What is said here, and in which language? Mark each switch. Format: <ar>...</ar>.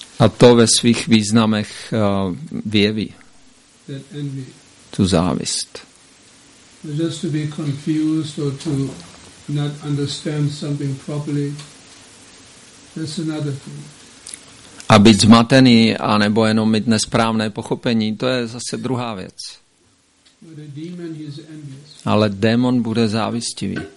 <cs>A to ve svých významech vyjeví tu závist.</cs> <en>Just to be confused or to not understand something properly, that's another thing.</en> <cs>A být zmatený a nebo jenom mít nesprávné pochopení, to je zase druhá věc.</cs> <en>But a demon is envious.</en> <cs>Ale démon bude závistivý.</cs>